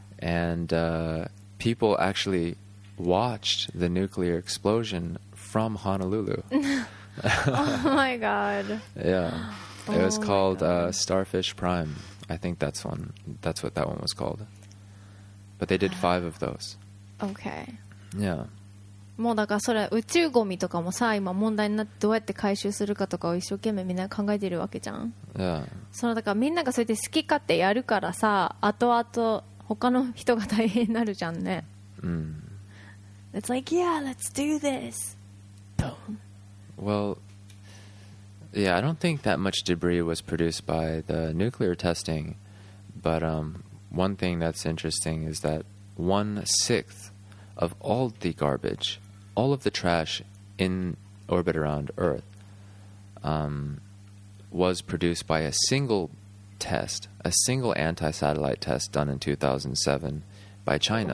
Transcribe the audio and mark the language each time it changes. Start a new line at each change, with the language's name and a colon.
English: And people actually watched the nuclear explosion from Honolulu. Oh my God. Yeah. It was called Starfish Prime. I think that's what that one was called. But they did 5 of those. Okay. Yeah.
Japanese: もうだからそれ宇宙ゴミとかもさ、今問題になってどうやって回収するかとかを一生懸命みんな考えてるわけじゃん。
English: Yeah.
Japanese: そのだからみんながそうやって好き勝手やるからさ、後々他の人が大変になるじゃんね。 Mm.
English: It's like, yeah, let's do this. Well, yeah, I don't think that much debris was produced by the nuclear testing, but one thing that's interesting is that 1/6of all the garbage, all of the trash in orbit around Earth, was produced by a single test, a single anti-satellite test done in 2007 by China.